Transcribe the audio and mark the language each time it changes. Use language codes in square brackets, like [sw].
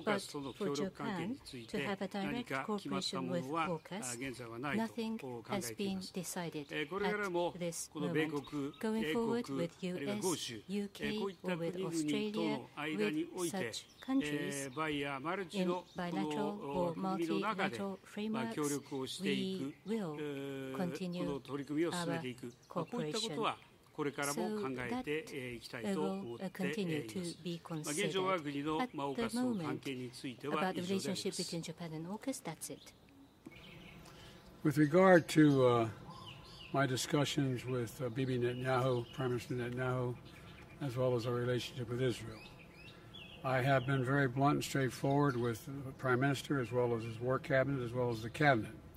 [en] But for Japan to have a direct cooperation with AUKUS, nothing has been decided at this moment. Going forward with US, UK, or with Australia, with such countries in bilateral or multilateral frameworks, we will continue our cooperation. [ja] これからも考えていきたいと思っています。現状は国のオーカスの関係については以上であります。 [en] With regard to my discussions with Bibi Netanyahu, Prime Minister Netanyahu, as well as our relationship with Israel. I have been very blunt and straightforward with the Prime Minister, as well as his war cabinet, as well as the cabinet.